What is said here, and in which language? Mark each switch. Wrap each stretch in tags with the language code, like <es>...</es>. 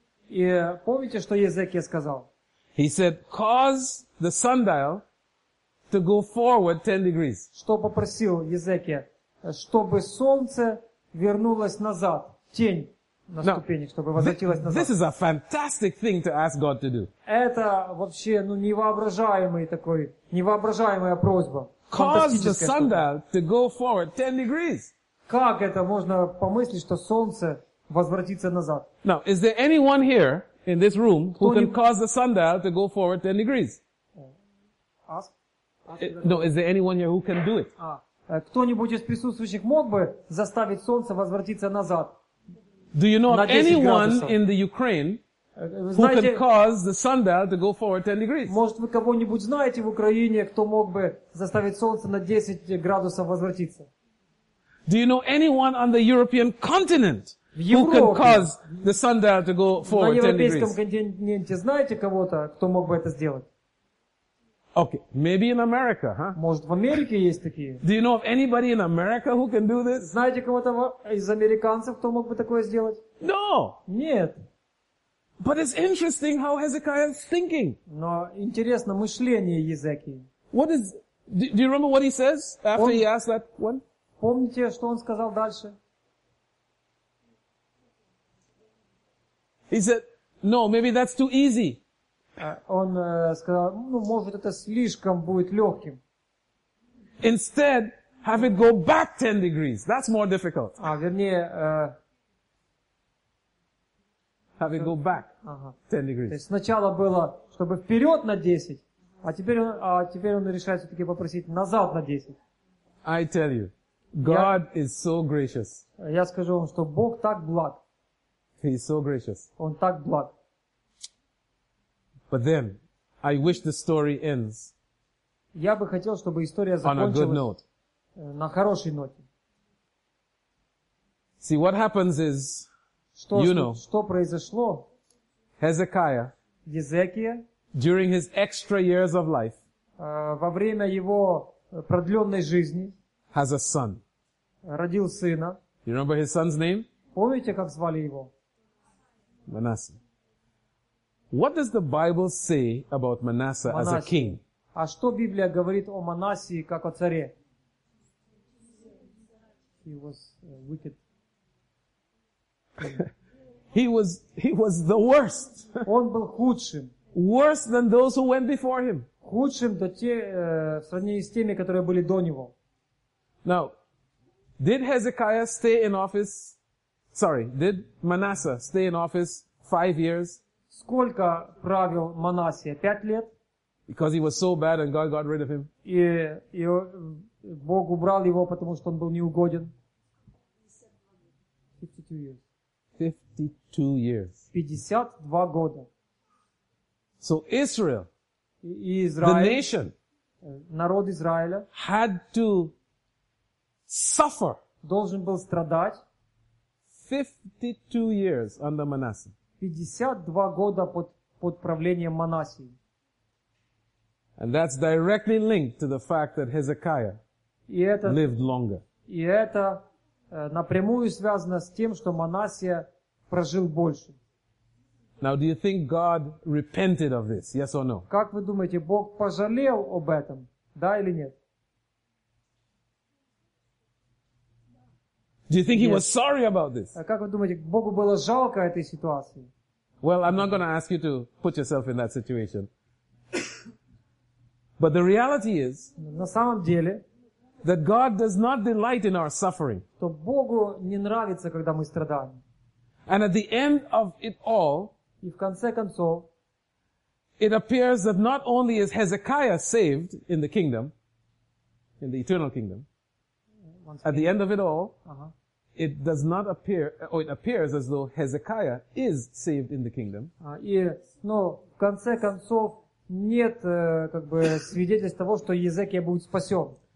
<ru>И помните, что Езекия сказал?</ru> <en>He said, cause the sundial to go forward 10 degrees.</en> <ru>Что попросил Езекия? Чтобы солнце вернулось назад, тень на ступени, чтобы возвратилась назад.</ru> <en>This is a fantastic thing to ask God to do.</en> <ru>Это вообще невоображаемая просьба.</ru> <en>Cause the sundial to go forward 10 degrees.</en> <ru>Как это можно помыслить, что солнце возвратится назад?</ru> <en>Now, is there anyone here in this room who can cause the sundial to go forward 10 degrees? Ask. No, is there anyone here who can do it?</en> <ru>Кто-нибудь из присутствующих мог бы заставить солнце возвратиться назад?</ru> <en>Do you know</en> <ru>на 10</ru> <en>anyone</en> <ru>градусов?</ru> <en>In the Ukraine</en> <ru>знаете,</ru> <en>who can cause the sundial to go forward 10 degrees?</en> <ru>Может, вы кого-нибудь знаете в Украине, кто мог бы заставить солнце на 10 градусов возвратиться?</ru> <en>Do you know anyone on the European continent</en> <ru>Европе,</ru> <en>who can cause the sundial to go forward 10 degrees?</en> <ru>На европейском континенте знаете кого-то, кто мог бы это сделать?</ru> <en>Okay, maybe in America, huh?</en> <ru>Может, в Америке есть такие?</ru> <en>Do you know of anybody in America who can do this?</en> <ru>Знаете кого-то из американцев, кто мог бы такое сделать?</ru> <en>No!</en> <ru>Нет.</ru> <en>But it's interesting how Hezekiah is thinking.</en> <ru>Но интересно мышление Езекии.</ru> <en>What is... Do you remember what he says after he asked that one?</en> <ru>Помните, что он сказал дальше?</ru> <en>He said, no, maybe that's too easy.</en> <ru>Он сказал, может, это слишком будет легким.</ru> <en>Instead, have it go back 10 degrees. That's more difficult.</en> <ru>А, вернее,</ru> <en>have it go back 10 degrees.</en> <ru>То есть сначала было, чтобы вперед на 10, а теперь он решает все-таки попросить назад на 10.</ru> <en>I tell you, God is so gracious.</en> <ru>Я скажу вам, что Бог так благ.</ru> <en>He is so gracious.</en> <ru>Он так благ.</ru> <en>But then, I wish the story ends.</en> <ru>Я бы хотел, чтобы история закончилась</ru> <en>on a good note.</en> <ru>На хорошей ноте.</ru> <en>See, what happens is,</en> <ru>что произошло?</ru> <en>Hezekiah,</en> <ru>Езекия,</ru> <en>during his extra years of life,</en> <ru>во время его продленной жизни,</ru> <en>has a son.</en> <ru>Родил сына.</ru> <en>You remember his son's name?</en> <ru>Помните, как звали его?</ru> <en>Manasseh. What does the Bible say about Manasseh as a king?</en> <ru>А что Библия говорит о Манассии как о царе?</ru> <en>He was wicked. He was the worst.</en> <ru>Он был худшим.</ru> <en>Worse than those who went before him.</en> <ru>Худшим до тех, в сравнении с теми, которые были до него.</ru> <en>Now, did Hezekiah stay in office? Sorry, did Manasseh stay in office 5 years?</en> <ru>Сколько правил Манассия? 5 лет?</ru> <en>Because he was so bad and God got rid of him.</en> <ru>И Бог убрал его, потому что он был неугоден.</ru> <en>52 years.</en> <ru>52 года.</ru> <en>So Israel,</en> <ru>Израиль,</ru> <en>the nation,</en> <ru>народ Израиля,</ru> <en>had to suffer.</en> <ru>Должен был страдать.</ru> <en>52 years under Manasseh.</en> <ru>52 года под правлением Манассии.</ru> <en>And that's directly linked to the fact that Hezekiah lived longer.</en> <ru>И это напрямую связано с тем, что Манассия прожил больше.</ru> <en>Now, do you think God repented of this? Yes or no?</en> <ru>Как вы думаете, Бог пожалел об этом? Да или нет?</ru> <en>Do you think he was sorry about this?</en> <ru>А как вы думаете, Богу было жалко этой ситуации?</ru> <en>Well, I'm not going to ask you to put yourself in that situation. But the reality is,</en> <ru>на самом деле,</ru> <en>that God does not delight in our suffering.</en> <ru>То Богу не нравится, когда мы страдаем.</ru> <en>And at the end of it all,</en> <ru>и в конце концов,</ru> <en>it appears that not only is Hezekiah saved in the kingdom, in the eternal kingdom, at the end of it all, it does not appear, or it appears as though Hezekiah is saved in the kingdom.</en> <ru>В конце концов, нет свидетельств того, что Езекия будет спасен.</ru>